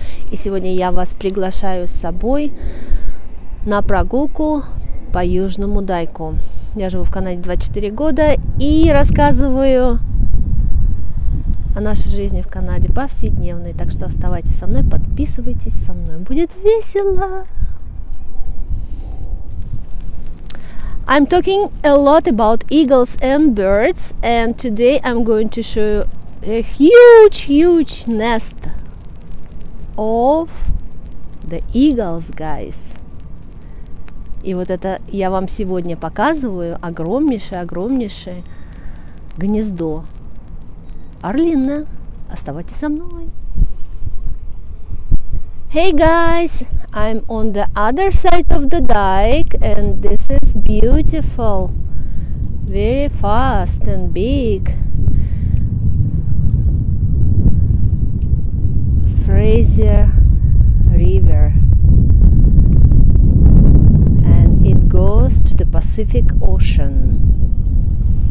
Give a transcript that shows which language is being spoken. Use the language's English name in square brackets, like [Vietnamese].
[Russian] И сегодня я вас приглашаю с собой на прогулку по Южному Дайку. Я живу в Канаде 24 года и рассказываю о нашей жизни в Канаде повседневной. Так что оставайтесь со мной, подписывайтесь со мной. Будет весело! [English] I'm talking a lot about eagles and birds, and today I'm going to show you a huge nest of the eagles, guys. [Russian] И вот это я вам сегодня показываю, огромнейшее гнездо орлиное. Оставайтесь со мной. [English] Hey guys, I'm on the other side of the dike, and this is beautiful, very fast and big Fraser River, and it goes to the Pacific Ocean.